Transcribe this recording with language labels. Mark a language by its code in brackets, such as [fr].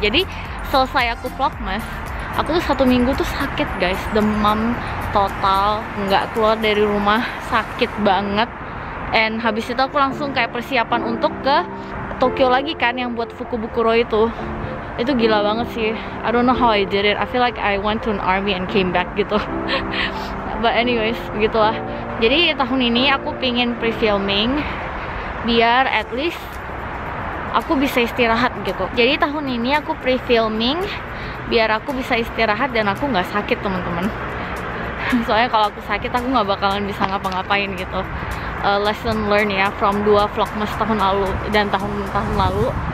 [id] Jadi selesai aku vlogmas, aku tuh satu minggu tuh sakit guys. Demam total, gak keluar dari rumah, sakit banget. And habis itu aku langsung kayak persiapan untuk ke Tokyo lagi kan, yang buat Fukubukuro itu. Itu gila banget sih. [en] I don't know how I did it. I feel like I went to an army and came back gitu. But anyways, [id] begitulah. Jadi tahun ini aku pingin pre-filming biar [en] at least [id] aku bisa istirahat gitu. Jadi tahun ini aku pre-filming biar aku bisa istirahat dan aku gak sakit teman-teman. Soalnya kalau aku sakit aku gak bakalan bisa ngapa-ngapain gitu. [en] Lesson learned [id] ya [en] from 2 vlogmas [id] tahun lalu dan tahun-tahun lalu.